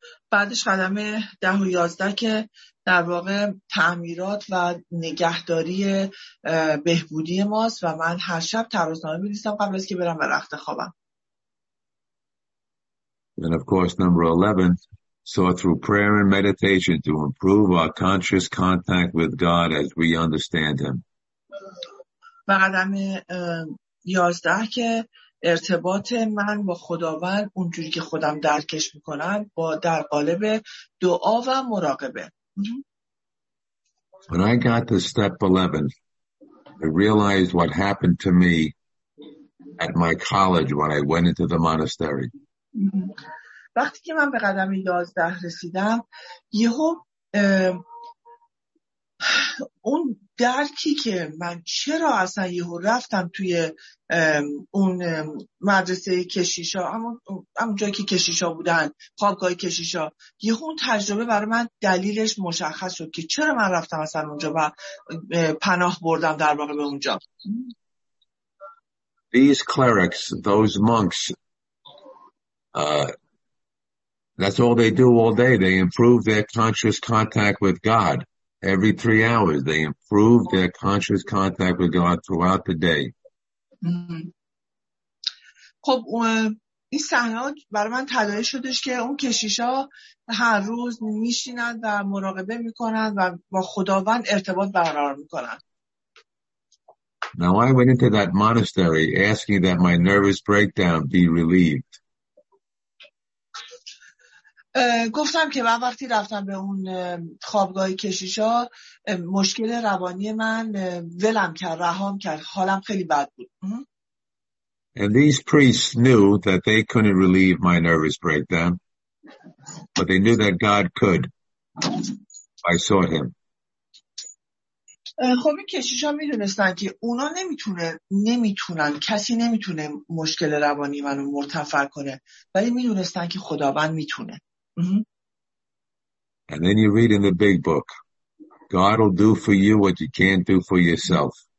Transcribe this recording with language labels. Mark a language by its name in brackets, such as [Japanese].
[Persian] بعدش قدم 10 و 11 که در واقع تعمیرات و نگهداری بهبودی ماست و من هر شب ترازنامه می‌نویسم قبل از که برم به رخت خوابم. [English] And of course number 11 saw through prayer and meditation to improve our conscious contact with God as we understand him. [Persian] و قدم 11 که ارتباط من با خداوند اونجوری که خودم درکش میکنم با در قالب دعا و مراقبه. [English] When I got to step 11, I realized what happened to me at my college when I went into the monastery. [Persian] وقتی که من به قدم 11 رسیدم یهو اون درکی که من چرا اصلا یهو رفتم توی اون مدرسه کشیشا، همون جایی که کشیشا بودن، خوابگاه کشیشا، یهو اون تجربه برای من دلیلش مشخص شد که چرا من رفتم اصلا اونجا و پناه بردم در واقع به اونجا. [English] These clerics, those monks, that's all they do all day. They improve their conscious contact with God. Every 3 hours, they improve their conscious contact with God throughout the day. خب [Persian] این صحنه برای من تداعی شدش که اون کشیشا هر روز میشینن و مراقبه میکنن و با خداوند ارتباط برقرار میکنن. [English] Now I went into that monastery asking that my nervous breakdown be relieved. [Persian] گفتم که من وقتی رفتم به اون خوابگاه کشیشا مشکل روانی من ولم کرد، رهام کرد، حالم خیلی بد بود. [English] And these priests knew that they couldn't relieve my nervous breakdown, but they knew that God could. I sought him. [Persian] خب این کشیشا میدونستن که اونا نمیتونن کسی نمیتونه مشکل روانی منو مرتفع کنه، ولی میدونستن که خداوند میتونه. [English] And then you read in the big book, God will do for you what you can't do for yourself.